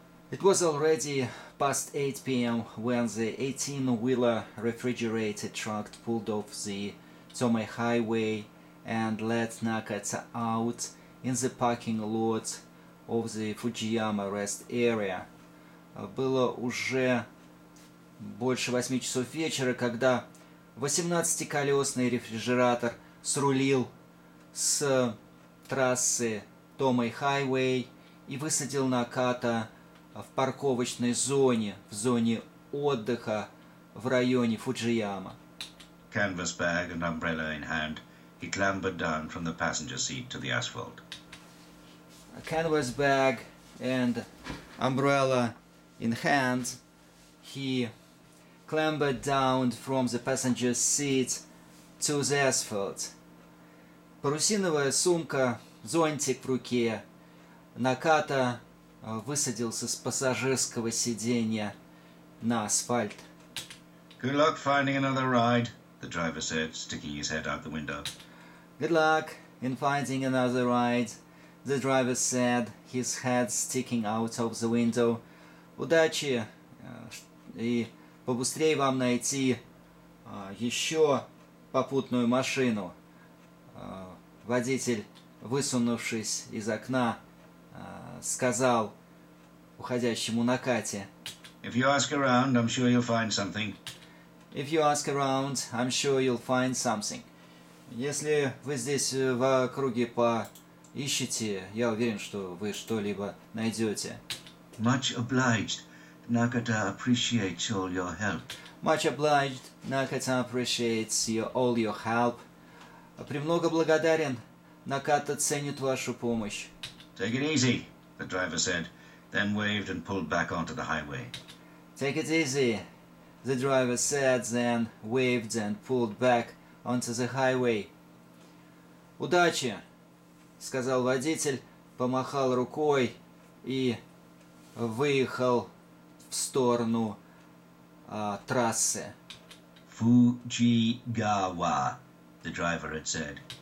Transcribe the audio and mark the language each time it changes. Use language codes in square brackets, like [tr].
[en] It was already past 8 p.m. when the 18-wheeler refrigerated truck pulled off the Tomei Highway and let Nakata out in the parking lot of the Fujiyama rest area. [ru] Было уже больше 8 часов вечера, когда 18-колесный рефрижератор срулил с трассы Tomei Highway и высадил Наката в парковочной зоне, в зоне отдыха в районе Фуджияма. [en] Canvas bag and umbrella in hand, he clambered down from the passenger seat to the asphalt. A canvas bag and umbrella in hand, he clambered down from the passenger seat to the asphalt. [ru] Парусиновая сумка, зонтик в руке, Наката высадился с пассажирского сиденья на асфальт. [en] Good luck finding another ride, the driver said, sticking his head out the window. Good luck in finding another ride, the driver said, his head sticking out of the window. [ru] Удачи, и побыстрее вам найти еще попутную машину. Водитель, высунувшись из окна, сказал уходящему Накате. [en] If you ask around, I'm sure you'll find something. If you ask around, I'm sure you'll find something. [ru] Если вы здесь в округе поищете, я уверен, что вы что-либо найдете. [en] Much obliged. Nakata appreciates all your help. Much obliged. Nakata appreciates all your help. [ru] Премного благодарен. Наката ценит вашу помощь. [en] Take it easy, the driver said, then waved and pulled back onto the highway. Take it easy, the driver said, then waved and pulled back onto the highway. [ru] Удачи, сказал водитель, помахал рукой и выехал в сторону трассы. [en] Fujigawa, the driver had said.